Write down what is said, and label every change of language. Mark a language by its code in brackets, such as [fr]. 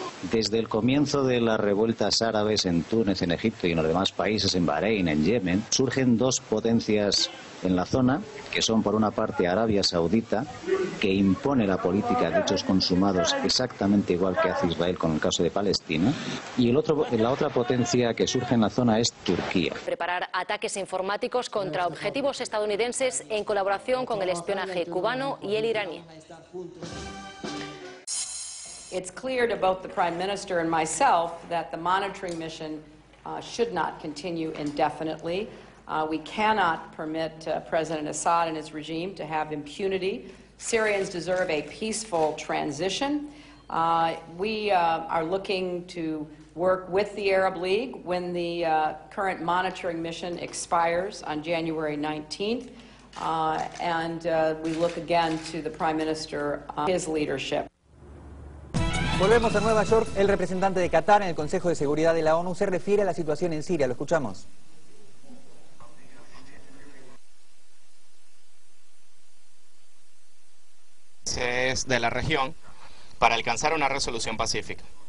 [es] Desde el comienzo de las revueltas árabes en Túnez, en Egipto y en los demás países, en Bahrein, en Yemen, surgen dos potencias en la zona, que son por una parte Arabia Saudita, que impone la política de hechos consumados exactamente igual que hace Israel con el caso de Palestina, y la otra potencia que surge en la zona es Turquía. Preparar ataques informáticos contra objetivos estadounidenses en colaboración con el espionaje cubano y el iraní. [en] It's clear to both the Prime Minister and myself that the monitoring mission should not continue indefinitely. We cannot permit President Assad and his regime to have impunity. Syrians deserve a peaceful transition. We are looking to work with the Arab League when the current monitoring mission expires on January 19th. And we look again to the Prime Minister, his leadership. [es] Volvemos a Nueva York. El representante de Qatar en el Consejo de Seguridad de la ONU se refiere a la situación en Siria. Lo escuchamos. Es de la región para alcanzar una resolución pacífica.